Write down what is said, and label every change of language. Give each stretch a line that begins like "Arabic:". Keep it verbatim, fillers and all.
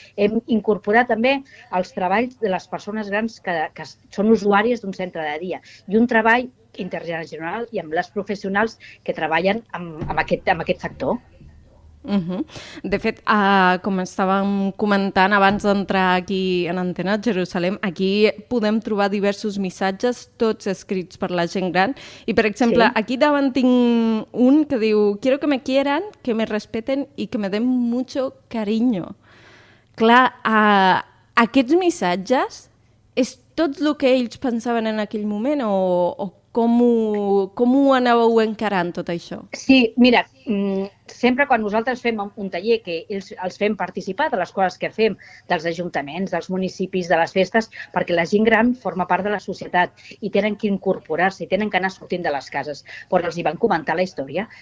Catalan: Hem incorporat també els treballs de les persones grans que, que són usuàries d'un centre de dia i un treball intergeneracional i amb les professionals que treballen amb, amb, aquest, amb aquest sector. Mhm. De fet, eh, com estàvem comentant abans d'entrar aquí en Antena Jerusalem, aquí podem trobar diversos missatges, tots escrits per la gent gran. I, per exemple, Sí. aquí davant tinc un que diu
Spanish: «Quiero que me quieran, que me respeten y que me den mucho cariño».
Catalan: Clar, eh, aquests missatges és tot el que ells pensaven en aquell moment o, o com, ho, com ho anàveu encarant tot això? Sí, mira, mm, sempre quan nosaltres fem un un taller que ells, els fem participar de les coses que fem, dels ajuntaments, dels municipis, de les festes, perquè la gent gran forma part de la societat i tenen que incorporar-se, i tenen que anar sortint de les cases, però els hi van comentar la història.